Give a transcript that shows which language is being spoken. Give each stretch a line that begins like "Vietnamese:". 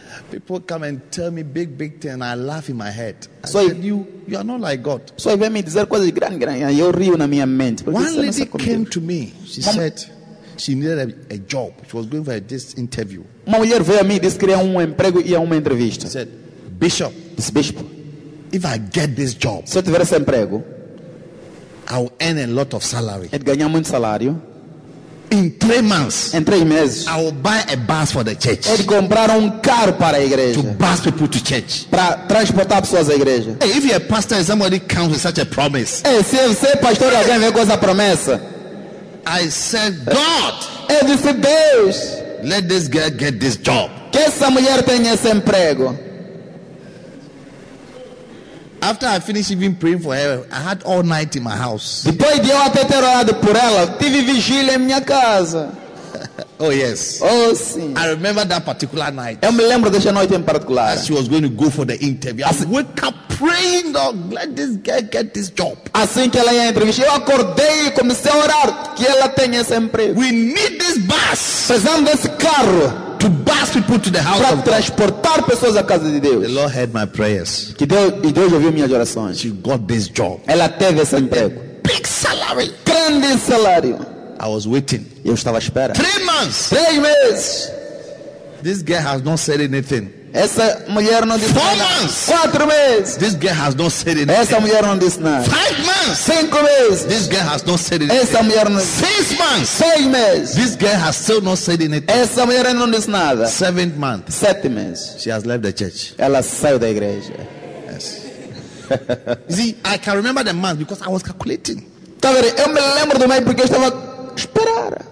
English: People come and tell me big things, and I laugh in my head. I so said, you are not like God.
Portuguese: So if me dizer coisas grandes, eu rio na minha mente.
English: One lady came to me. She said she needed a job. She was going for this interview.
Portuguese: Uma mulher veio a mim e disse que queria emprego e uma entrevista.
English: She said, Bishop. This bishop. If I get this job,
Portuguese: se eu tiver esse emprego,
English: I'll earn a lot of salary.
Portuguese: Ganhar muito salário.
English: In 3 months,
Portuguese: em 3 meses,
English: I will buy a bus for the church.
Portuguese: Ele comprar carro para a igreja.
English: To bus people to church.
Portuguese: Para transportar pessoas à igreja.
English: Hey, if you're a pastor and somebody comes with such a promise.
Portuguese: Hey, se você é pastor e alguém vem com essa promessa.
English: I said, God.
Portuguese: Eu disse, Deus.
English: Let this girl get this job.
Portuguese: Que essa mulher tenha esse emprego.
English: After I finished even praying for her, I had all night in my house.
Portuguese: Depois de eu até ter orado por ela, tive vigília em minha casa.
English: Oh yes.
Portuguese: Oh sim.
English: I remember that particular night.
Portuguese: Eu me lembro dessa noite em particular.
English: As she was going to go for the interview, assim, I woke up praying, God, let this girl get this job.
Portuguese: Assim que ela ia entrevista, eu acordei e comecei a orar que ela tenha esse emprego.
English: We need this bus.
Portuguese: Precisamos desse carro.
English: To bus people to the house
Portuguese: para transportar pessoas à casa de Deus.
English: The Lord heard my prayers.
Portuguese: Que Deus, e Deus ouviu minhas orações.
English: She got this job.
Portuguese: Ela teve esse emprego.
English: Big salary.
Portuguese: Grande salário.
English: I was waiting.
Portuguese: Eu estava à espera.
English: 3 months.
Portuguese: 3 meses.
English: This girl has not said anything.
Portuguese: Essa mulher não disse
English: Four
Portuguese: nada.
English: 4 months.
Portuguese: 4 meses.
English: This girl has not said anything.
Portuguese: Essa mulher não disse nada.
English: 5 months.
Portuguese: 5 meses.
English: This girl has not said anything.
Portuguese: Essa mulher não.
English: 6 months.
Portuguese: 6 meses.
English: This girl has still not said anything.
Portuguese: Essa mulher não disse nada.
English: 7 months.
Portuguese: 7 meses.
English: She has left the church.
Portuguese: Ela saiu da igreja.
English: Yes. You see, I can remember the month because I was calculating.
Portuguese: Tá vendo? Eu me lembro do mês porque eu estava esperar.